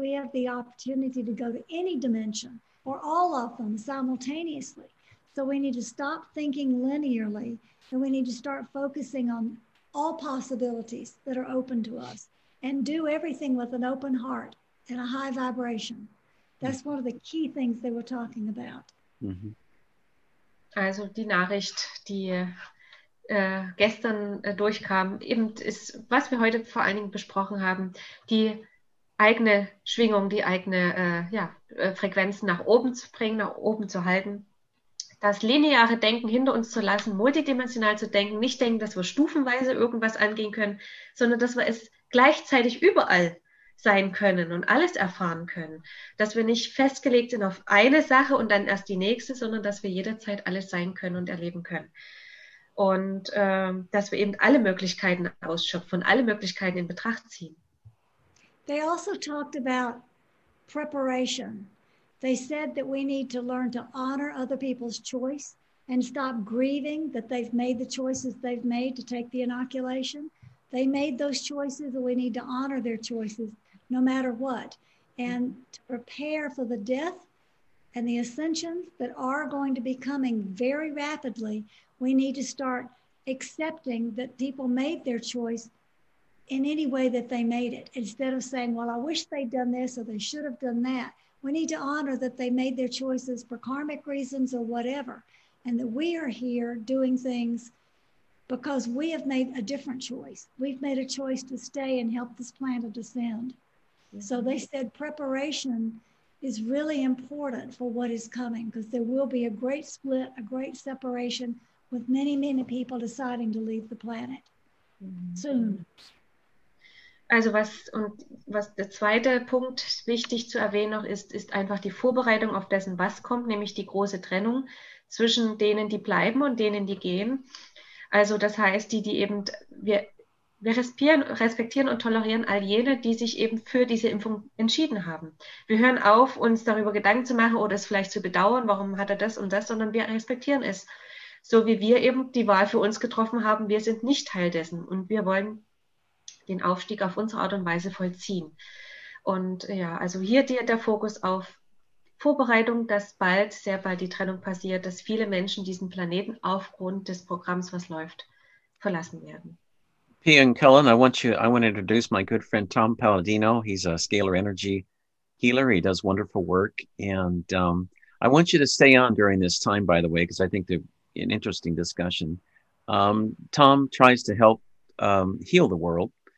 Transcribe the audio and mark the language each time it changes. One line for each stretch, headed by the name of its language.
English: We have the opportunity to go to any dimension, or all of them simultaneously. So we need to stop thinking linearly, and we need to start focusing on all possibilities that are open to us, and do everything with an open heart and a high vibration. That's one of the key things they were talking about. Mm-hmm.
German: Also die Nachricht, die gestern durchkam, eben ist, was wir heute vor allen Dingen besprochen haben, die eigene Schwingung, die eigene Frequenzen nach oben zu bringen, nach oben zu halten. Das lineare Denken hinter uns zu lassen, multidimensional zu denken, nicht denken, dass wir stufenweise irgendwas angehen können, sondern dass wir es gleichzeitig überall sein können und alles erfahren können. Dass wir nicht festgelegt sind auf eine Sache und dann erst die nächste, sondern dass wir jederzeit alles sein können und erleben können. Und dass wir eben alle Möglichkeiten ausschöpfen, alle Möglichkeiten in Betracht ziehen.
English: They also talked about preparation. They said that we need to learn to honor other people's choice and stop grieving that they've made the choices they've made to take the inoculation. They made those choices and we need to honor their choices no matter what. And to prepare for the death and the ascensions that are going to be coming very rapidly, we need to start accepting that people made their choice in any way that they made it. Instead of saying, well, I wish they'd done this or they should have done that. We need to honor that they made their choices for karmic reasons or whatever. And that we are here doing things because we have made a different choice. We've made a choice to stay and help this planet ascend. So they said preparation is really important for what is coming because there will be a great split, a great separation with many, many people deciding to leave the planet soon.
German: Also was und was der zweite Punkt wichtig zu erwähnen noch ist, ist einfach die Vorbereitung auf dessen, was kommt, nämlich die große Trennung zwischen denen, die bleiben und denen, die gehen. Also das heißt, die eben, wir respektieren und tolerieren all jene, die sich eben für diese Impfung entschieden haben. Wir hören auf, uns darüber Gedanken zu machen oder es vielleicht zu bedauern, warum hat er das und das, sondern wir respektieren es. So wie wir eben die Wahl für uns getroffen haben, wir sind nicht Teil dessen und wir wollen den Aufstieg auf unsere Art und Weise vollziehen. Und ja, also hier der Fokus auf Vorbereitung, dass bald, sehr bald die Trennung passiert, dass viele Menschen diesen Planeten aufgrund des Programms, was läuft, verlassen werden.
English: Pia und Cullen, I want to introduce my good friend Tom Palladino. He's a scalar energy healer. He does wonderful work. And I want you to stay on during this time, by the way, because I think they're an interesting discussion. Tom tries to help heal the world.